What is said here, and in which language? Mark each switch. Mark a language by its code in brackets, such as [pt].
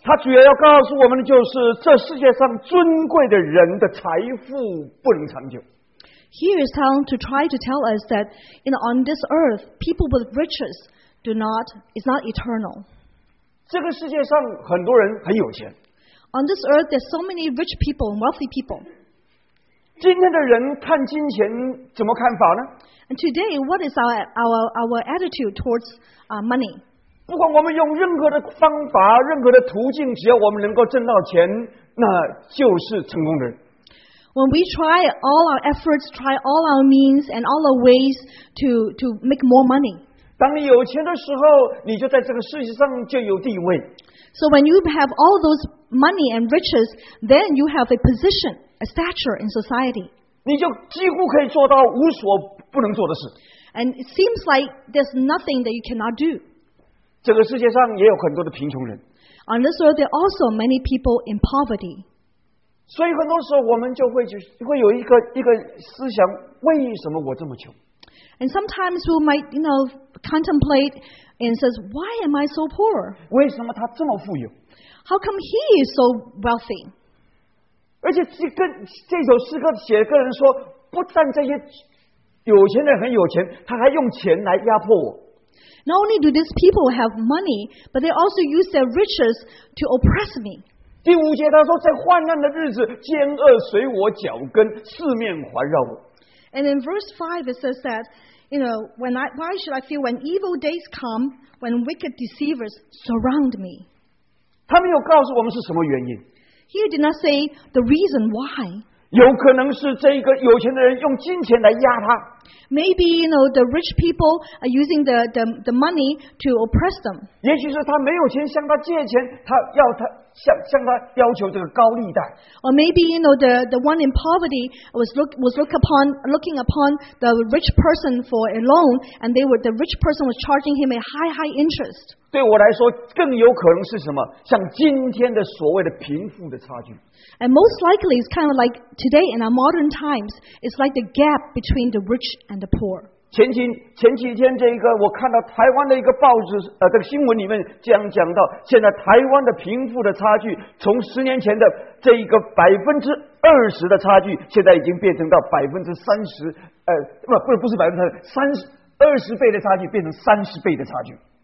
[zh] 它主要要告诉我们的就是，这世界上尊贵的人的财富不能长久。 [en] Here is time to try to tell us that, you know, on this earth, people with riches is not eternal. [zh] 这个世界上很多人很有钱。 [en] On this earth, there's so many rich people and wealthy people. [zh] 今天的人看金钱怎么看法呢？ [en] And today, what is our attitude towards money? [zh] 不管我们用任何的方法、任何的途径，只要我们能够挣到钱，那就是成功的人。 [en] When we try all our efforts, try all our means and all our ways to make more money. [zh] 当你有钱的时候，你就在这个世界上就有地位。 [en] So when you have all those money and riches, then you have a position, a stature in society. [zh] 你就几乎可以做到无所不能做的事。 [en] And it seems like there's nothing that you cannot do. [zh] 这个世界上也有很多的贫穷人。 [en] On this world, there are also many people in poverty. [zh] 所以很多时候我们就会有一个思想，为什么我这么穷？ [en] And sometimes we might, you know, contemplate and says, why am I so poor? [zh] 为什么他这么富有？ [en] How come he is so wealthy? [zh] 而且这首诗歌写的个人说，不但这些有钱人很有钱，他还用钱来压迫我。 [en] Not only do these people have money, but they also use their riches to oppress me. [zh] 第五节他说，在患难的日子，奸恶随我脚跟，四面环绕我。 [en] And in verse 5, it says that, you know, why should I feel when evil days come, when wicked deceivers surround me? [zh] 他没有告诉我们是什么原因。 [en] He did not say the reason why. [zh] 有可能是这个有钱的人用金钱来压他。 [en] Maybe, you know, the rich people are using the money to oppress them. [zh] 也许是他没有钱向他借钱，他要他。向他要求这个高利贷。 [en] Or maybe you know the one in poverty was looking upon the rich person for a loan, and the rich person was charging him a high interest. [zh] 对我来说，更有可能是什么？像今天的所谓的贫富的差距。 [en] And most likely it's kind of like today in our modern times, it's like the gap between the rich and the poor. [zh] 前几天这一个我看到台湾的一个报纸这个新闻里面这样讲到，现在台湾的贫富的差距从十年前的这一个20%的差距，现在已经变成到30%，不是20倍的差距变成30倍的差距。